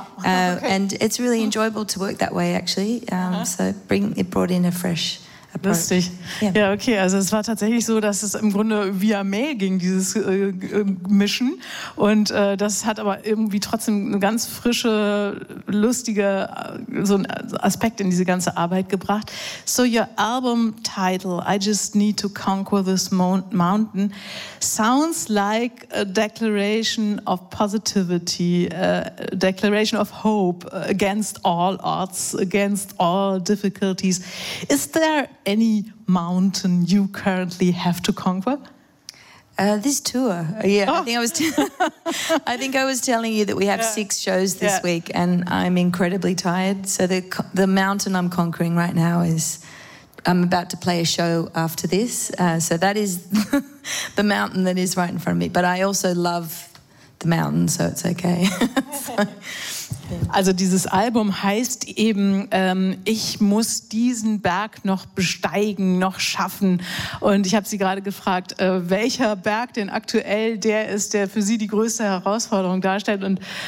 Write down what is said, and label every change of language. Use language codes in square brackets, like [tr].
[en] And it's really enjoyable to work that way, actually. It brought in a fresh... [de] Lustig. Ja, okay, also es war tatsächlich so, dass es im Grunde via Mail ging, dieses Mischen. Und das hat aber irgendwie trotzdem eine ganz frische, lustige, so einen Aspekt in diese ganze Arbeit gebracht. [en] So, your album title, I Just Need to Conquer This Mountain, sounds like a declaration of positivity, a declaration of hope against all odds, against all difficulties. Is there any mountain you currently have to conquer? This tour, yeah. Oh. I think I was telling you that we have 6 shows this week, and I'm incredibly tired. So the mountain I'm conquering right now is I'm about to play a show after this. So that is the mountain that is right in front of me. But I also love the mountain, so it's okay. [de] Also dieses Album heißt eben, ich muss diesen Berg noch besteigen, noch schaffen. Und ich habe sie gerade gefragt, welcher Berg denn aktuell der ist, der für sie die größte Herausforderung darstellt. Und